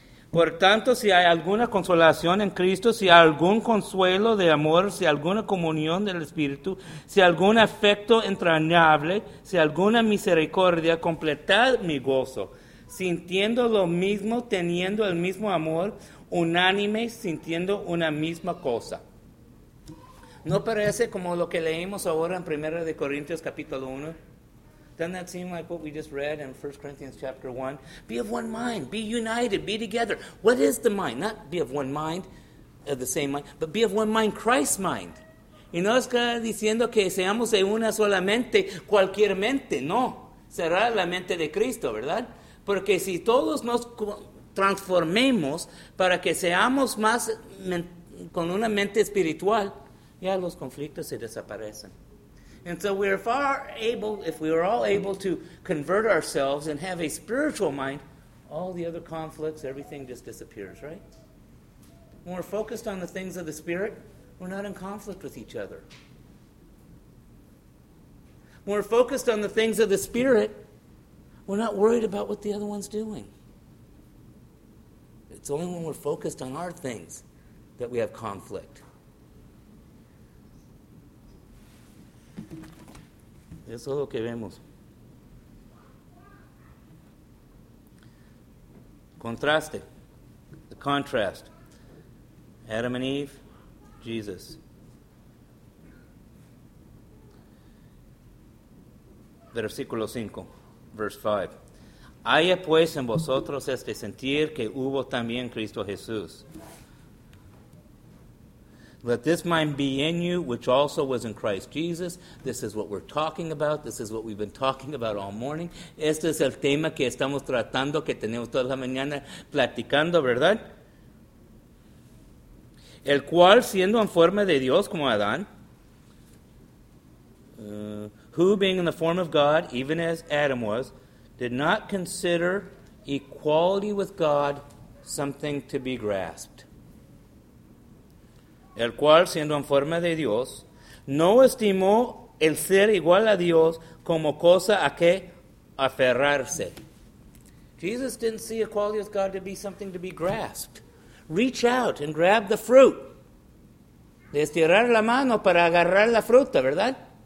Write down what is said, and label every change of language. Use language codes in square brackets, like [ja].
[es] Por tanto, si hay alguna consolación en Cristo, si hay algún consuelo de amor, si hay alguna comunión del Espíritu, si hay algún afecto entrañable, si hay alguna misericordia, completad mi gozo, sintiendo lo mismo, teniendo el mismo amor, unánime, sintiendo una misma cosa. ¿No parece como lo que leímos ahora en 1 Corintios capítulo 1? [en] Doesn't that seem like what we just read in 1 Corinthians chapter 1? Be of one mind, be united, be together. What is the mind? Not be of one mind, of the same mind, but be of one mind, Christ's mind. [es] Y no está diciendo que seamos en una sola mente, cualquier mente, no. Será la mente de Cristo, ¿verdad? Porque si todos nos transformemos para que seamos más con una mente espiritual, ya los conflictos se desaparecen. [en] And so we are far able, if we are all able to convert ourselves and have a spiritual mind, all the other conflicts, everything just disappears, right? When we're focused on the things of the Spirit, we're not in conflict with each other. When we're focused on the things of the Spirit, we're not worried about what the other one's doing. It's only when we're focused on our things that we have conflict. [es] Eso es lo que vemos. [en] Contraste. The contrast. Adam and Eve, Jesus. [es] Versículo 5, verse 5. Haya pues en vosotros este sentir que hubo también Cristo Jesús. [en] Let this mind be in you, which also was in Christ Jesus. This is what we're talking about. This is what we've been talking about all morning. [es] Este es el tema que estamos tratando, que tenemos toda la mañana platicando, ¿verdad? El cual, siendo en forma de Dios como Adán, [en] who being in the form of God, even as Adam was, did not consider equality with God something to be grasped. [es] El cual, siendo en forma de Dios, no estimó el ser igual a Dios como cosa a que aferrarse. [en] Jesus didn't see equality with God to be something to be grasped. Reach out and grab the fruit. [es] De estirar la mano para agarrar la fruta, ¿verdad?